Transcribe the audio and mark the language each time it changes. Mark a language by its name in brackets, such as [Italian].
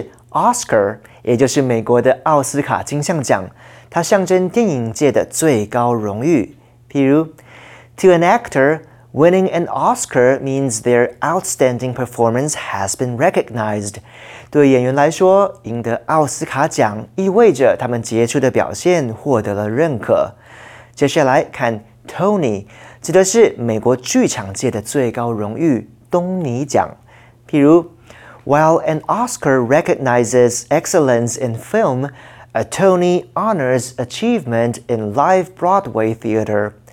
[Chinese] Oscar， 也就是美国的奥斯卡金像奖，它象征电影界的最高荣誉。譬如 [English] ，To an actor, winning an Oscar means their outstanding performance has been recognized。 [Chinese] 对演员来说，赢得奥斯卡奖意味着他们杰出的表现获得了认可。接下来看 Tony， 指的是美国剧场界的最高荣誉东尼奖。譬如。 [English] While an Oscar recognizes excellence in film, a Tony honors achievement in live Broadway theater.